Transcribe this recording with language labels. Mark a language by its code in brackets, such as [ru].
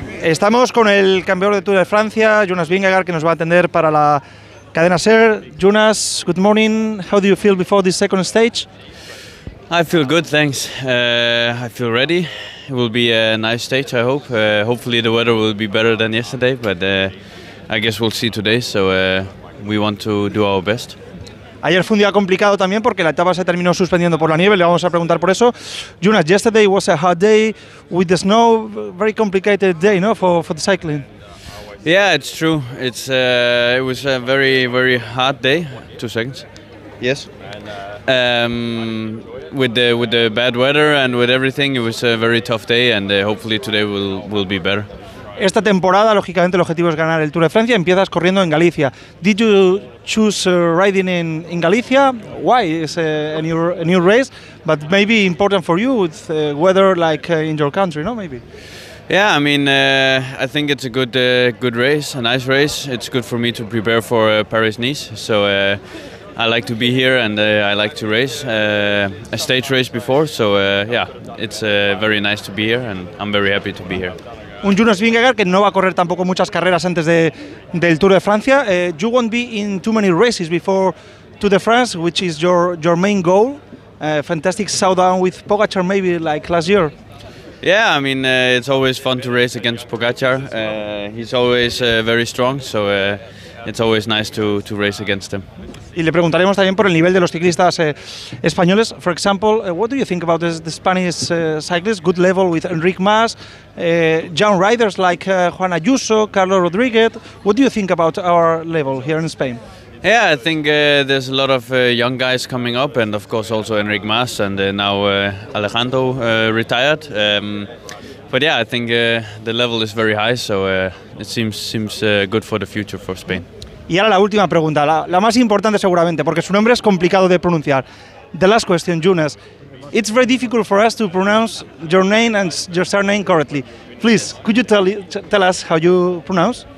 [es] Estamos con el campeón de Tour de Francia, Jonas Vingegaard, que nos va a atender para la cadena SER. [en] Jonas, good morning. How do you feel before this second stage? I feel good, thanks. I feel ready. It will be a nice stage, I hope. Hopefully the weather will be better than yesterday, but I guess we'll see today, so we want to do our best. [es] Ayer fue un día complicado también porque la etapa se terminó suspendiendo por la nieve. Le vamos a preguntar por eso. [en] Jonas, yesterday was a hard day with the snow. Very complicated day, no, for the cycling. Yeah, it's true. It's it was a very very hard day. 2 seconds. Yes. With the bad weather and with everything, it was a very tough day. And hopefully today will be better. [es] Esta temporada, lógicamente, el objetivo es ganar el Tour de Francia. Empiezas corriendo en Galicia. [en] Did you choose riding in Galicia? Why? It's a new race, but maybe important for you with weather like in your country, no? Maybe. Yeah, I mean, I think it's a good race, a nice race. It's good for me to prepare for Paris-Nice. So I like to be here and I like to race. A stage race before, so yeah, it's very nice to be here and I'm very happy to be here. [es] Un Jonas Vingegaard que no va a correr tampoco muchas carreras antes del Tour de Francia. [en] You won't be in too many races before Tour de France, which is your main goal. Fantastic showdown with Pogacar, maybe like last year. Yeah, I mean it's always fun to race against Pogacar. He's always very strong, so it's always nice to race against him. [es] Y le preguntaremos también por el nivel de los ciclistas españoles. [en] For example, what do you think about the Spanish cyclists? Good level with Enrique Mas, young riders like Juan Ayuso, Carlos Rodriguez. What do you think about our level here in Spain? Yeah, I think there's a lot of young guys coming up, and of course also Enrique Mas, and now Alejandro retired. But yeah, I think the level is very high, so it seems good for the future for Spain. [es] Y ahora la última pregunta, la más importante seguramente, porque su nombre es complicado de pronunciar. [en] The last question, Jonas. It's very difficult for us to pronounce your name and your surname correctly. Please, could you tell us how you pronounce?